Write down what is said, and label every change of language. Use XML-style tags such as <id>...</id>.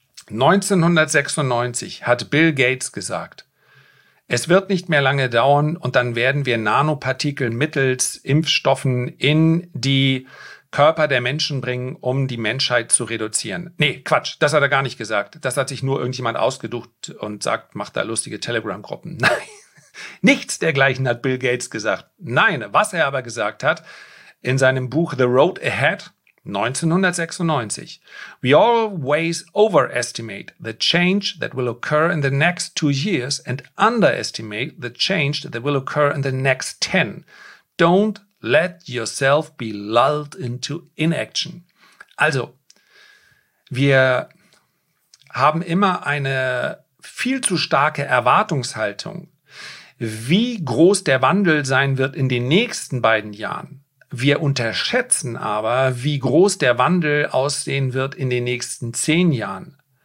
<de>1996 hat Bill Gates gesagt, es wird nicht mehr lange dauern und dann werden wir Nanopartikel mittels Impfstoffen in die Körper der Menschen bringen, um die Menschheit zu reduzieren. Nee, Quatsch, das hat er gar nicht gesagt. Das hat sich nur irgendjemand ausgedacht und sagt, macht da lustige Telegram-Gruppen. Nein, nichts dergleichen hat Bill Gates gesagt. Nein, was er aber gesagt hat, in seinem Buch The Road Ahead, 1996.</de> <en>We always overestimate the change that will occur in the next 2 years and underestimate the change that will occur in the next 10. Don't let yourself be lulled into inaction.</en> <de>Also, wir haben immer eine viel zu starke Erwartungshaltung, wie groß der Wandel sein wird in den nächsten beiden Jahren. Wir unterschätzen aber, wie groß der Wandel aussehen wird in den nächsten 10 Jahren.</de>